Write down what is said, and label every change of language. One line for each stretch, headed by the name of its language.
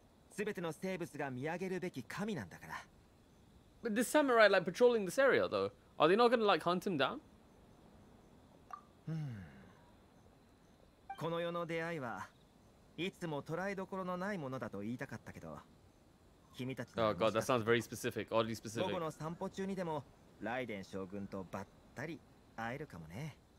Japanese: すべての生物が見上げるべき神なんだから。
English: But the samurai like patrolling this area though. Are they not gonna like hunt him down?
Japanese: この世の出会いはいつも捉えどころのないものだと言いたかったけど、君たち
English: の。Oh god, that sounds very specific. Oddly specific.
Japanese: 午後の散歩中にでもライデン将軍とばったり会えるかもね。